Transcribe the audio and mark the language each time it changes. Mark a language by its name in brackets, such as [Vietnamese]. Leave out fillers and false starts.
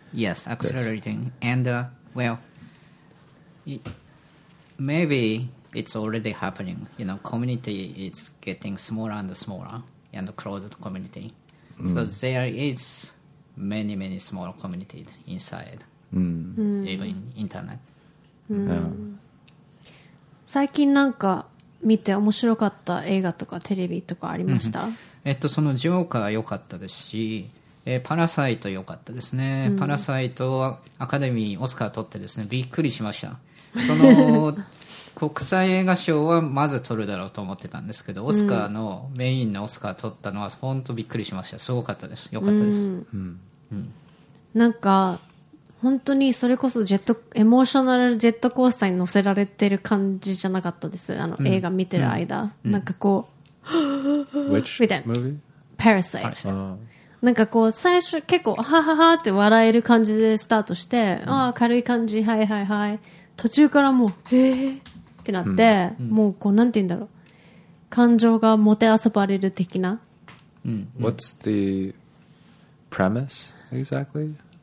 [English] Yes, accelerating.、This. And, well, maybe... It's already happening. You know, community is getting smaller and smaller and closed community.、 Mm. So there is many, many small communities inside,、 mm. even in internet.、 Mm. Yeah. [Japanese] 最近なんか見て面白かった映画とかテレビとかありました、 mm-hmm. そのジョーカー良かったですし、パラサイト良かったですね。Mm. パラサイトはアカデミーオスカー取ってですね、びっくりしました。その国際映画賞はまず取るだろうと思ってたんですけど、オスカーの、うん、メインのオスカー取ったのは本当びっくりしました。すごかったです。よかったです、うんうん、なんか本当にそれこそエモーショナルジェットコースターに乗せられてる感じじゃなかったです、あの、うん、映画見てる間、うん、なんかこう、うん、みたいな [English] Which movie? Parasite、 oh. [Japanese] なんかこう最初結構ハハハって笑える感じでスタートして、うん、ああ軽い感じ、はいはいはい、途中からもうへえってなって、うんうん、もうこうなんて言うんだろう、感情がもてあそばれる的な、うんうん、 [English] What's the premise exactly?